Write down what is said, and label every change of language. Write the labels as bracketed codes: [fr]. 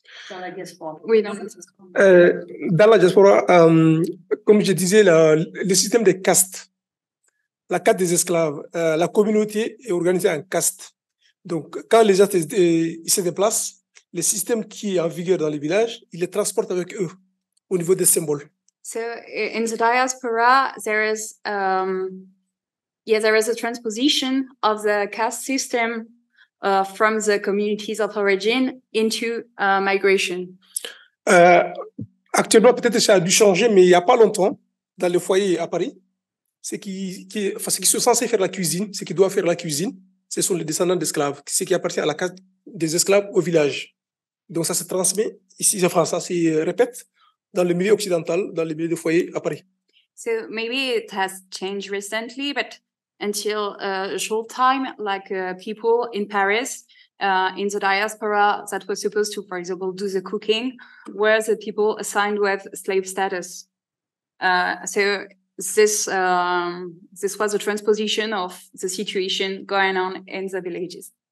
[fr] Dans la diaspora. Comme je disais, le système des castes, la caste des esclaves, la communauté est organisée en castes. Donc, quand les gens se déplacent, le système qui est en vigueur dans les villages, ils les transportent avec eux au niveau des symboles. [en] So in the diaspora, there is a transposition of the caste system from the communities of origin into migration. [fr] Actuellement, peut-être ça a dû changer, mais il y a pas longtemps, dans les foyers à Paris, ceux qui sont censés faire la cuisine, ceux qui doivent faire la cuisine, ce sont les descendants d'esclaves, ceux qui appartiennent à la caste des esclaves au village. Donc ça se transmet ici en France, ça se répète dans le milieu occidental, dans le milieu des foyers à Paris. [en] So maybe it has changed recently, but until a short time, people in Paris, in the diaspora that were supposed to, for example, do the cooking, were the people assigned with slave status. So this was a transposition of the situation going on in the villages.